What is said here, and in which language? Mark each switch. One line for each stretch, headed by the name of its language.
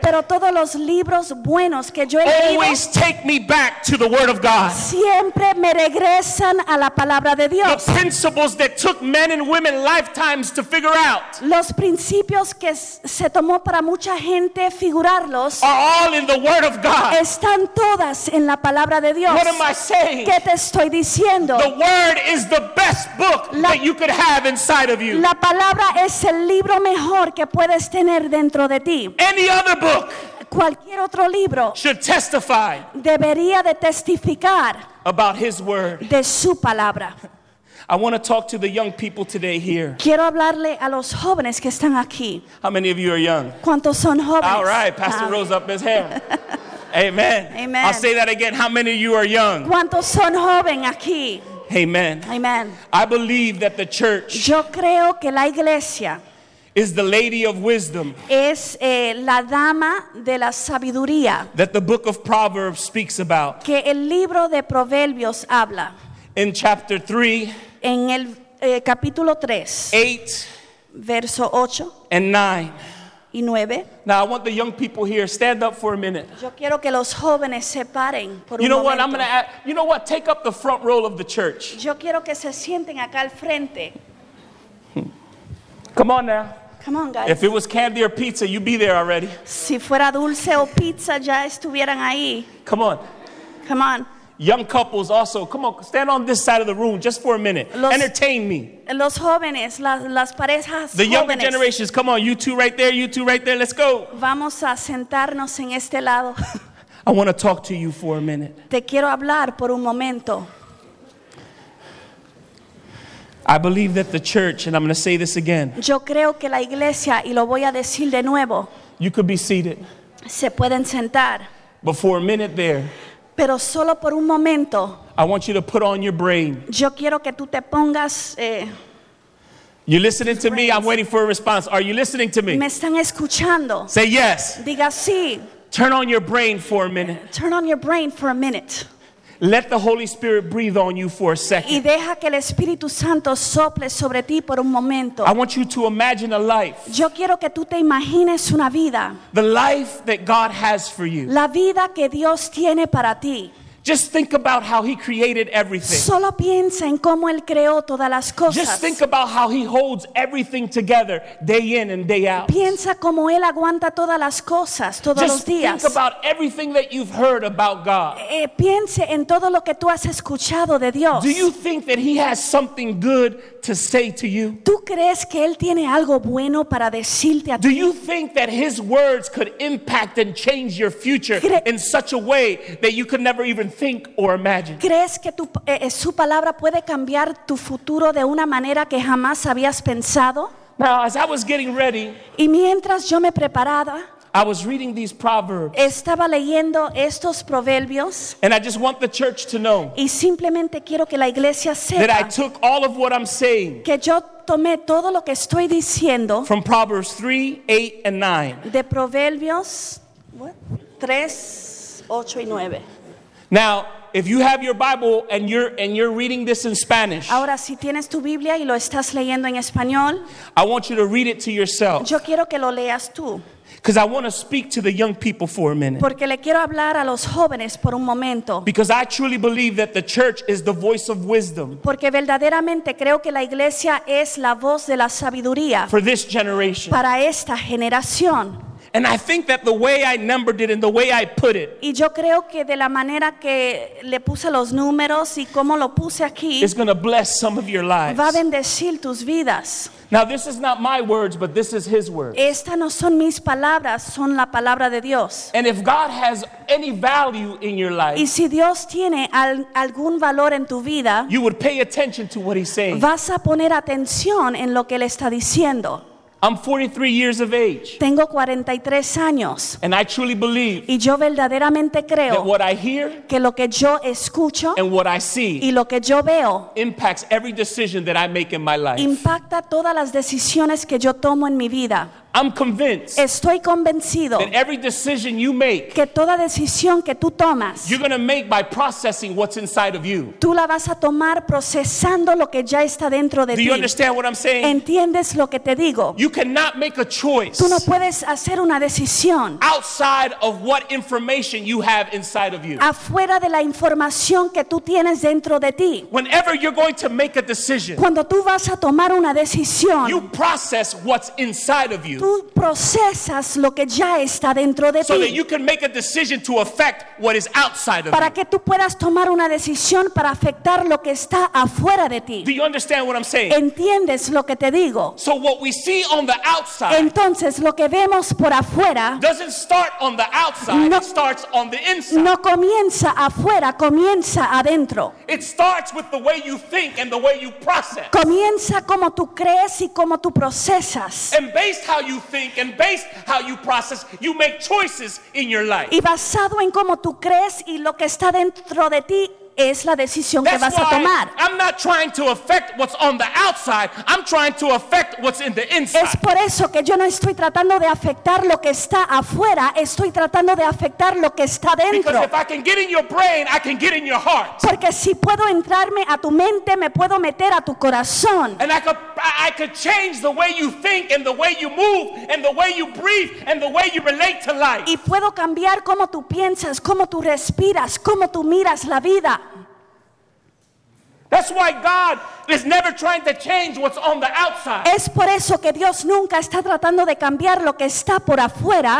Spanish: Pero todos los libros buenos que yo he leído.
English: Always take me back to the word of God.
Spanish: Siempre me regresan a la palabra de Dios.
English: The principles that took men and women lifetimes to figure out.
Spanish: Los principios que se tomó para mucha gente figurarlos.
English: Are all in the word of God.
Spanish: Están todas en la palabra de Dios.
English: What am I saying?
Spanish: ¿Qué te estoy diciendo?
English: The word is the best book that you could have inside of you.
Spanish: La palabra es el libro mejor que puedes tener dentro de ti.
English: Any other book,
Spanish: cualquier otro libro,
English: should testify,
Spanish: debería de testificar,
English: about his word,
Spanish: de su palabra.
English: I want to talk to the young people today here.
Spanish: Quiero hablarle a los jóvenes que están aquí.
English: How many of you are young?
Spanish: ¿Cuántos son jóvenes?
English: All right, Pastor Rose up his hand. Amen. Amen. I'll say that again. How many of you are young?
Spanish: ¿Cuántos son jóvenes aquí? Amen. Amen.
English: I believe that the church,
Spanish: yo creo que la iglesia,
English: is the lady of wisdom.
Spanish: Es la dama de la sabiduría.
English: That the book of Proverbs speaks about.
Spanish: Que el libro de Proverbios habla.
English: In chapter 3.
Spanish: En el capítulo 3.
English: 8.
Spanish: Verso 8.
English: And 9.
Spanish: Y 9.
English: Now I want the young people here, stand up for a minute.
Spanish: Yo quiero que los jóvenes se paren por un
English: You know what? I'm going to ask. You know what? Take up the front row of the church.
Spanish: Yo quiero que se sienten acá al frente.
English: Come on now. Come on, guys. If it was candy or pizza, you'd be there already. Si fuera dulce o pizza, ya estuvieran ahí. Come on. Come on. Young couples also, come on, stand on this side of the room just for a minute. Entertain me.
Spanish: Los jóvenes, las parejas jóvenes.
English: The younger generations, come on, you two right there, you two right there, let's go.
Spanish: Vamos a sentarnos en este lado.
English: I want to talk to you for a minute.
Spanish: Te quiero hablar por un momento.
English: I believe that the church, and I'm going to say this again.
Spanish: Yo creo que la iglesia, y lo voy a decir de nuevo.
English: You could be seated.
Spanish: Se pueden sentar.
English: But for a minute there.
Spanish: Pero solo por un momento.
English: I want you to put on your brain.
Spanish: Yo quiero que tú te pongas.
English: You're listening to brains. Me. I'm waiting for a response. Are you listening to me?
Spanish: Me están escuchando.
English: Say yes.
Spanish: Diga sí.
English: Turn on your brain for a minute. Turn on your brain for a minute. Let the Holy Spirit breathe on you for a second.
Spanish: Y deja que el Espíritu Santo sople sobre ti por un momento.
English: I want you to imagine a life.
Spanish: Yo quiero que tú te imagines una vida.
English: The life that God has for you.
Spanish: La vida que Dios tiene para ti.
English: Just think about how he created everything.
Spanish: Solo piensa en cómo él creó todas las cosas.
English: Just think about how he holds everything together day in and day out.
Spanish: Piensa cómo él aguanta todas las cosas todos los días.
English: Just think about everything that you've heard about God.
Spanish: Piense en todo lo que tú has escuchado de Dios.
English: Do you think that he has something good to say to you?
Spanish: ¿Tú crees que él tiene algo bueno para decirte a ti?
English: Do you think that his words could impact and change your future in such a way that you could never even think or imagine?
Spanish: ¿Crees que su palabra puede cambiar tu futuro de una manera que jamás habías pensado?
English: Now, as I was getting ready,
Spanish: y mientras yo me preparaba,
English: I was reading these proverbs.
Spanish: Estaba leyendo estos proverbios.
English: And I just want the church to know.
Spanish: Y simplemente quiero que la iglesia sepa.
English: That I took all of what I'm saying.
Spanish: Que yo tomé todo lo que estoy diciendo.
English: From Proverbs 3, 8 and 9.
Spanish: De Proverbios 3, 8 y 9.
English: Now, if you have your Bible and you're reading this in Spanish,
Spanish: ahora, si tienes tu Biblia y lo estás leyendo en español,
English: I want you to read it to yourself.
Spanish: Yo quiero que lo leas tú.
English: Because I want to speak to the young people for a minute.
Spanish: Porque le quiero hablar a los jóvenes por un momento.
English: Because I truly believe that the church is the voice of wisdom.
Spanish: Porque verdaderamente creo que la iglesia es la voz de la sabiduría.
English: For this generation.
Spanish: Para esta generación.
English: And I think that the way I numbered it and the way I put it,
Spanish: y yo creo que de la manera que le puse los números y cómo lo puse aquí,
English: is going to bless some of your lives.
Spanish: Va a bendecir tus vidas.
English: Now this is not my words, but this is his words.
Spanish: Estas no son mis palabras, son la palabra de Dios.
English: And if God has any value in your life,
Spanish: y si Dios tiene algún valor en tu vida,
English: you would pay attention to what he's saying.
Spanish: Vas a poner atención en lo que él está diciendo.
English: I'm 43 years of age.
Spanish: Tengo 43 años.
English: And I truly believe.
Spanish: Y yo verdaderamente creo.
English: That what I hear.
Spanish: Que lo que yo escucho.
English: And what I see.
Spanish: Y lo que yo veo.
English: Impacts every decision that I make in my life.
Spanish: Impacta todas las decisiones que yo tomo en mi vida.
English: I'm convinced.
Spanish: Estoy convencido.
English: That every decision you make.
Spanish: Que toda decisión que tú tomas.
English: You're going to make by processing what's inside of you.
Spanish: Tú la vas a tomar procesando lo que ya está dentro de ti.
English: Do you understand what I'm saying?
Spanish: ¿Entiendes lo que te digo?
English: You cannot make a choice.
Spanish: Tú no puedes hacer una decisión.
English: Outside of what information you have inside of you.
Spanish: Afuera de la información que tú tienes dentro de ti.
English: Whenever you're going to make a decision.
Spanish: Cuando tú vas a tomar una decisión.
English: You process what's inside of you.
Spanish: Tú procesas lo que ya está dentro de ti.
English: So that you can make a decision to affect what is outside of you.
Spanish: Para que tú puedas tomar una decisión para afectar lo que está afuera de ti.
English: Do you understand what I'm saying?
Spanish: ¿Entiendes lo que te digo?
English: So what we see on the outside.
Spanish: Entonces lo que vemos por afuera.
English: Doesn't start on the outside.
Spanish: No,
English: it starts on the inside.
Spanish: No comienza afuera, comienza adentro.
English: It starts with the way you think and the way you process.
Spanish: Comienza como tú crees y como tú procesas.
English: And based how you think and based how you process, you make choices in your life.
Spanish: Y basado en cómo tú crees y lo que está dentro de ti es la decisión que vas a tomar.
English: I'm not trying to affect what's on the outside. I'm trying to affect what's in the inside.
Spanish: Es por eso que yo no estoy tratando de afectar lo que está afuera. Estoy tratando de afectar lo que está dentro.
English: Because if I can get in your brain, I can get in your heart.
Spanish: Porque si puedo entrarme a tu mente, me puedo meter a tu corazón.
English: And I could change the way you think and the way you move and the way you breathe and the way you relate to life.
Spanish: Y puedo cambiar cómo tú piensas, cómo tú respiras, cómo tú miras la vida.
English: That's why God is never trying to change what's on the outside.
Spanish: Es por eso que Dios nunca está tratando de cambiar lo que está por afuera.